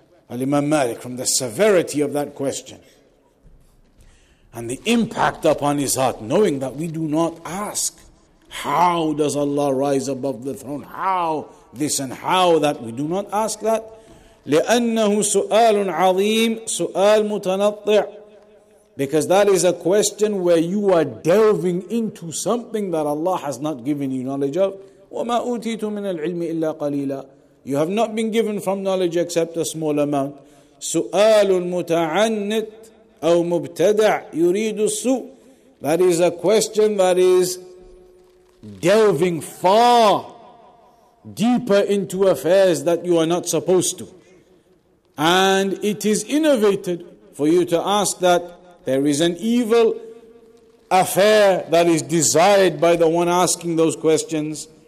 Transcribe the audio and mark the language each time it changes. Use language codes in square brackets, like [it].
[en] Al-Imam Malik, from the severity of that question and the impact upon his heart, knowing that we do not ask, how does Allah rise above the throne? How this and how that? We do not ask that. [ar] لأنه سؤال عظيم, سؤال متنطع. [en] Because that is a question where you are delving into something that Allah has not given you knowledge of. [ar] وما أوتيت من العلم إلا قليلا. [en] You have not been given from knowledge except a small amount. [ar] سؤال متعنت أو مبتدع يريد السوء. [en] That is a question that is delving far deeper into affairs that you are not supposed to. And it is innovated for you to ask that. There is an evil affair that is desired by the one asking those questions.